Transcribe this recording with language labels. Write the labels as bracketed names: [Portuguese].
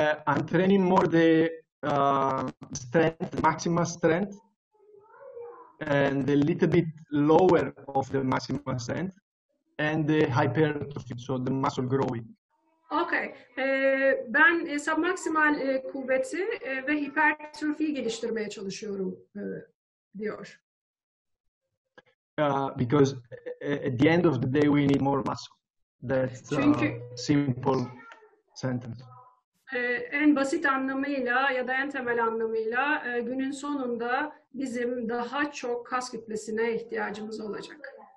[English] I'm training more the strength, maximal strength, and a little bit lower of the maximal strength and the hypertrophy, so the muscle growing. Okay. [Turkish] Ben submaksimal kuvveti ve hipertrofiyi geliştirmeye çalışıyorum diyor. [English] Because at the end of the day we need more muscle. That's a simple sentence. [Turkish] En basit anlamıyla ya da en temel anlamıyla günün sonunda bizim daha çok kas kütlesine ihtiyacımız olacak.